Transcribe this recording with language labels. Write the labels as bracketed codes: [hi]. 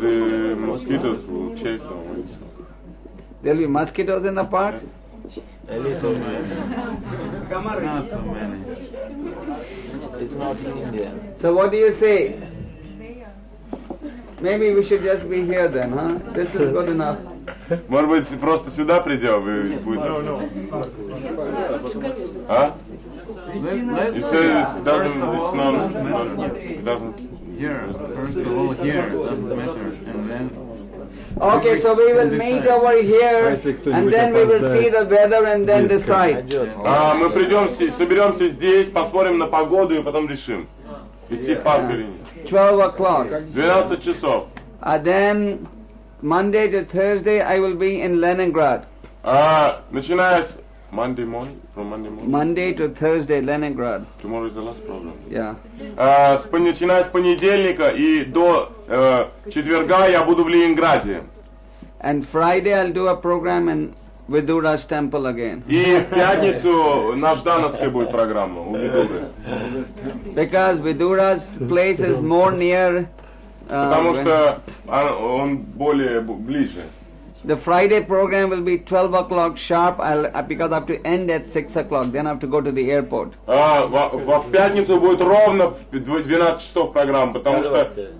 [en] The mosquitoes will chase them. There'll be mosquitoes in the park? Yes. A little man. Not so many. It's not in India. So what do you say? Maybe we should just be here then, huh? This is good enough. [ru] Может быть, просто сюда придем и будет? [en] А? He says it doesn't... Here, first of all, here, it doesn't matter. And then... Okay, so we will meet over here, and then we will see the weather, and then decide. [ru] Мы придем, соберемся здесь, поспорим на погоду, и потом решим идти в парк или нет. [en] 12 o'clock. [ru] 12 часов. [en] Then Monday to Thursday, I will be in Leningrad. [ru] Начиная с [en] Monday morning, from Monday morning. Monday to Thursday, Leningrad. Tomorrow is the last program. Yeah. [ru] Начиная с понедельника и до четверга я буду в Ленинграде. [en] And Friday I'll do a program in Vidura's temple again. [ru] И в пятницу на Ждановской будет программа у Vidura. [en] Because Vidura's place is more near. [ru] Потому что он более ближе. [en] The Friday program will be 12 o'clock sharp, because I have to end at 6 o'clock, then I have to go to the airport. [ru] Во пятницу будет ровно в 12 часов программа, потому что...